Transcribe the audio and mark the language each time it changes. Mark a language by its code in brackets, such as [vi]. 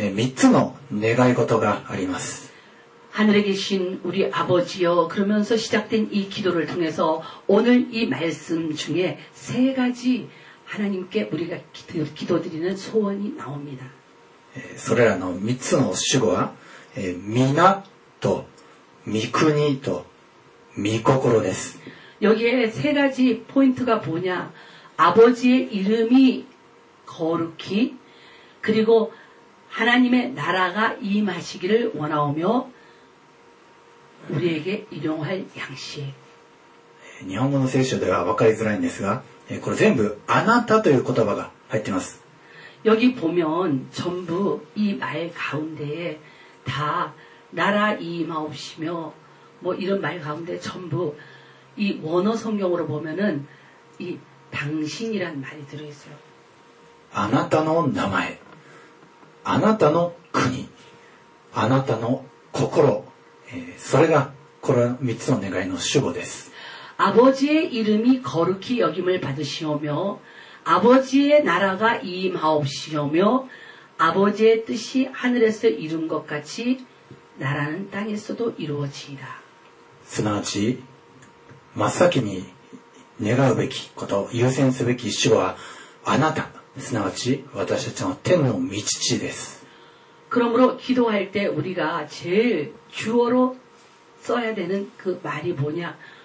[ja] さて今日の箇所ではその呼びかけについてですね、3つの願い事があります。 [ko] 하늘에 계신 우리 아버지요 그러면서 시작된 이 기도를 통해서 오늘 이 말씀 중에 세 가지 하나님께 우리가 기도드리는 소원이 나옵니다. [ja] それらの3つの主語は、皆と御国と御心です。 [ko] 여기에 세 가지 포인트가 뭐냐? 아버지의 이름이 거룩히, 그리고 하나님의 나라가 임하시기를 원하오며 우리에게 일용할 양식. 일본어 성서 [ja] では 分かりづらいんですが、 これ 全部 あなたという言葉が入ってます。 [ko] 여기 보면 전부 이 말 가운데에 다 나라 임하옵시며 뭐 이런 말 가운데 전부 이 원어 성경으로 보면은 이 당신이란 말이 들어 있어요. [ja] あなたの名前。あなたの国。あなたの心。それがこの3つの願いの主語です。 [ko] 아버지의 이름이 거룩히 여김을 받으시오며, 아버지의 나라가 임하옵시오며, 아버지의 뜻이 하늘에서 이룬 것 같이 나라는 땅에서도 이루어지이다. [ja] 즉, 真っ先に願うべきこと、優先すべき主はあなた、즉私たちの天の御父です。 [ko] 그러므로 기도할 때 우리가 제일 주어로 써야 되는 그 말이 뭐냐?